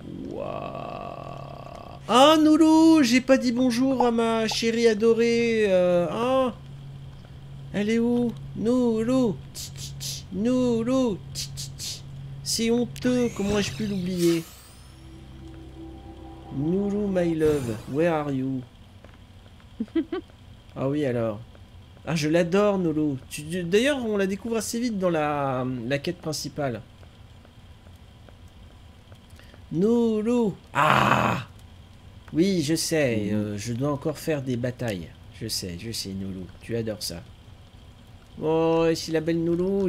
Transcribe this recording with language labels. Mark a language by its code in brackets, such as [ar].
[fr] Waouh. Ah, Noulou, j'ai pas dit bonjour à ma chérie adorée. Hein, elle est où? Noulou. Noulou. C'est honteux, comment ai-je pu l'oublier? [en] Noulou, my love, where are you? [fr] Ah oui, alors. Ah, je l'adore, Noulou. D'ailleurs, on la découvre assez vite dans la quête principale. Noulou. Ah! Oui, je sais. Je dois encore faire des batailles. Je sais, Noulou. Tu adores ça. Oh, ici la belle Noulou.